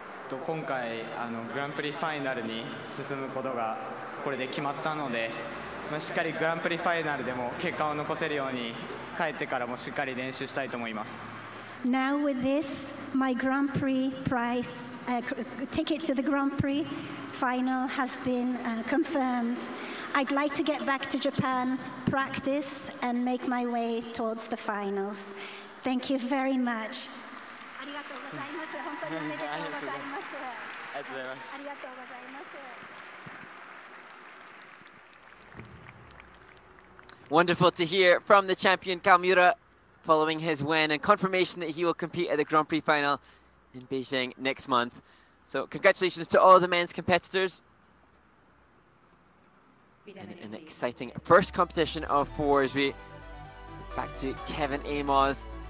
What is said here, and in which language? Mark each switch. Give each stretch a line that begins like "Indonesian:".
Japanese: 今回あのグランプリファイナルに進むことがこれで決まったので、しっかりグランプリファイナルでも結果を残せるように帰ってからもしっかり練習したいと思います。
English: Now with this, my Grand Prix price, ticket to the Grand Prix final has been confirmed. I'd like to get back to Japan, practice and make my way towards the finals. Thank you very much.
Japanese: ありがとうございます。本当におめでとうございます。ありがとうございます。ありがとうございます。
English: Wonderful to hear from the champion Kawamura following his win and confirmation that he will compete at the Grand Prix final in Beijing next month. So congratulations to all the men's competitors. And an exciting first competition of four as we back to Kevin Amos.